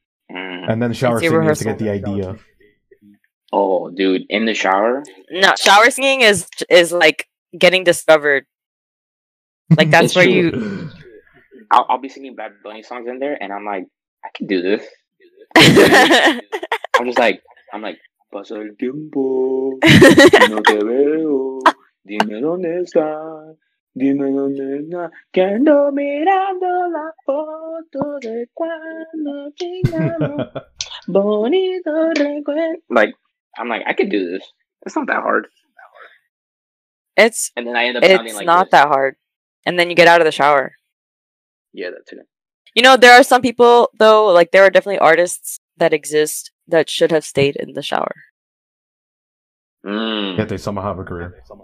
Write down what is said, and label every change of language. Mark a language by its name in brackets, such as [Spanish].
[English] And then shower singing is to get the idea. Oh, dude, in the shower? No, shower singing is like getting discovered. Like that's where you. I'll be singing Bad Bunny songs in there, and I'm like, I can do this. [Spanish] I'm like, pasa el tiempo, no te veo, dime dónde está, dime dónde está, que ando mirando la foto de cuando llegamos, bonito recuerdo. [English] I'm like, I can do this. It's not that hard. It's, and then I end up sounding like, it's not this. That hard. And then you get out of the shower. Yeah, that too. You know, there are some people, though, like, there are definitely artists that exist that should have stayed in the shower. Yeah, they somehow have a career.